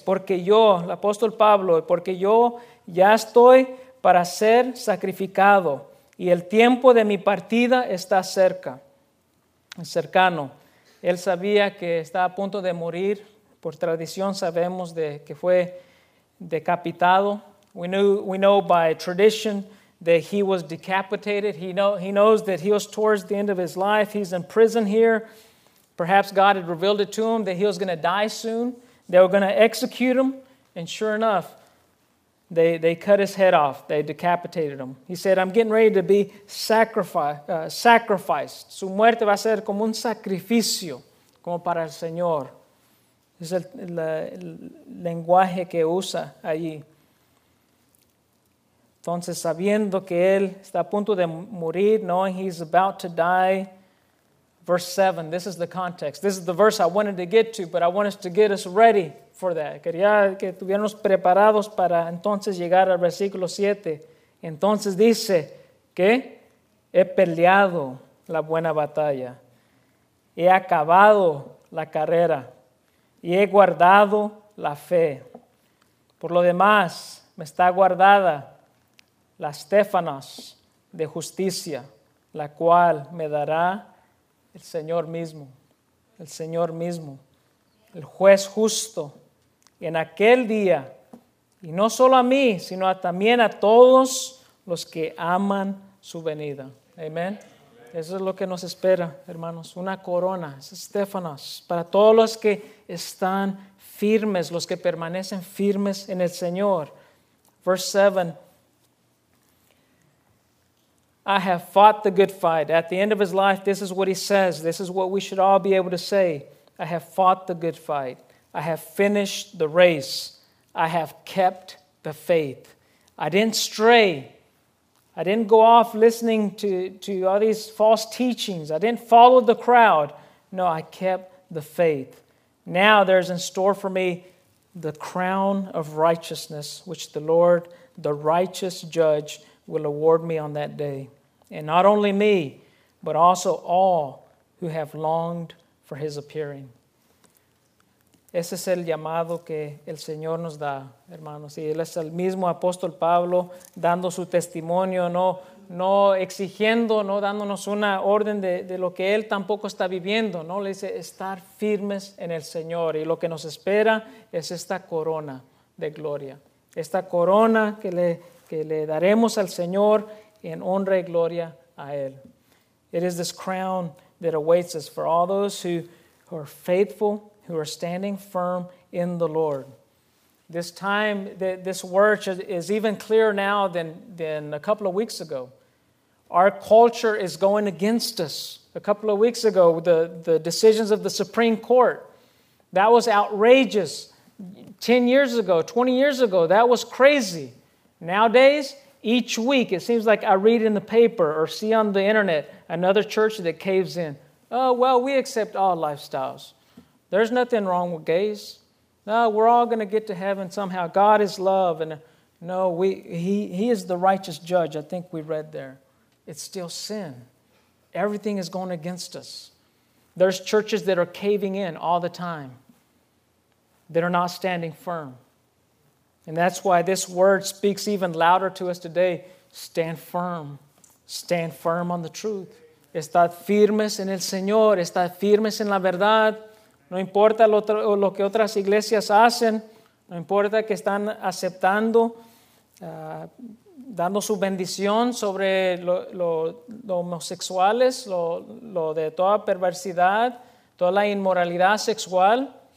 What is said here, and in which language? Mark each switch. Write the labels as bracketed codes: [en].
[es] Porque yo, el apóstol Pablo, porque yo ya estoy para ser sacrificado y el tiempo de mi partida está cerca, cercano. Él sabía que estaba a punto de morir. Por tradición sabemos de que fue decapitado. [en] We know by tradition that he was decapitated. He knows that he was towards the end of his life. He's in prison here. Perhaps God had revealed it to him that he was going to die soon. They were going to execute him. And sure enough, they cut his head off. They decapitated him. He said, I'm getting ready to be sacrificed. [es] Su muerte va a ser como un sacrificio, como para el Señor. Es el lenguaje que usa allí. Entonces, sabiendo que él está a punto de morir, [en] knowing he's about to die, verse 7, this is the context. This is the verse I wanted to get to, but I wanted to get us ready for that. [es] Quería que estuviéramos preparados para entonces llegar al versículo 7. Entonces dice que he peleado la buena batalla. He acabado la carrera. Y he guardado la fe. Por lo demás, me está guardada la Stefanos de justicia, la cual me dará el Señor mismo. El Señor mismo, el juez justo. En aquel día, y no solo a mí, sino también a todos los que aman su venida. Amén. Eso es lo que nos espera, hermanos. Una corona, Stefanos, para todos los que están firmes, los que permanecen firmes en el Señor. [en] Verse 7. I have fought the good fight. At the end of his life, this is what he says. This is what we should all be able to say. I have fought the good fight. I have finished the race. I have kept the faith. I didn't stray. I didn't go off listening to all these false teachings. I didn't follow the crowd. No, I kept the faith. Now there's in store for me the crown of righteousness, which the Lord, the righteous judge, will award me on that day. And not only me, but also all who have longed for his appearing. [es] Ese es el llamado que el Señor nos da, hermanos. Y él es el mismo apóstol Pablo dando su testimonio, no exigiendo, no dándonos una orden de lo que él tampoco está viviendo, ¿no? Le dice, estar firmes en el Señor. Y lo que nos espera es esta corona de gloria. Esta corona que le daremos al Señor en honra y gloria a él. [en] It is this crown that awaits us for all those who are faithful, who are standing firm in the Lord. This time, this word is even clearer now than a couple of weeks ago. Our culture is going against us. A couple of weeks ago, the decisions of the Supreme Court, that was outrageous. 10 years ago, 20 years ago, that was crazy. Nowadays, each week, it seems like I read in the paper or see on the internet another church that caves in. Oh, well, we accept all lifestyles. There's nothing wrong with gays. No, we're all going to get to heaven somehow. God is love. And no, he is the righteous judge. I think we read there. It's still sin. Everything is going against us. There's churches that are caving in all the time, that are not standing firm. And that's why this word speaks even louder to us today. Stand firm. Stand firm on the truth. [es] Estad firmes en el Señor. Estad firmes en la verdad. No importa lo que otras iglesias hacen, no importa que están aceptando dando su bendición sobre los homosexuales, lo de toda perversidad, toda la inmoralidad sexual.